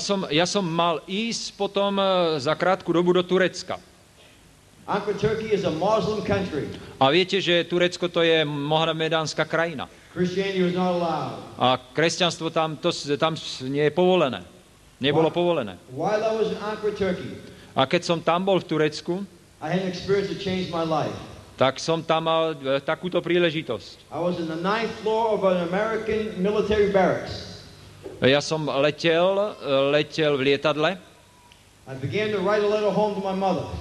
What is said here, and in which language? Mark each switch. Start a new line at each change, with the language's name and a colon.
Slovak: Ja som mal ísť potom za krátku dobu do Turecka.
English: Ankara, Turkey is a Muslim country.
Slovak: A viete, že Turecko to je mohamedánska krajina.
English: Christianity was not allowed.
Slovak: A kresťanstvo tam nie je povolené. Nebolo povolené.
English: While I was in Ankara, Turkey.
Slovak: A keď som tam bol v Turecku,
English: I had an experience that changed my life.
Slovak: Tak som tam mal takúto príležitosť.
English: I was on the ninth floor of an American military barracks.
Slovak: Ja som letel v lietadle.
English: I began to write a letter home to my mother.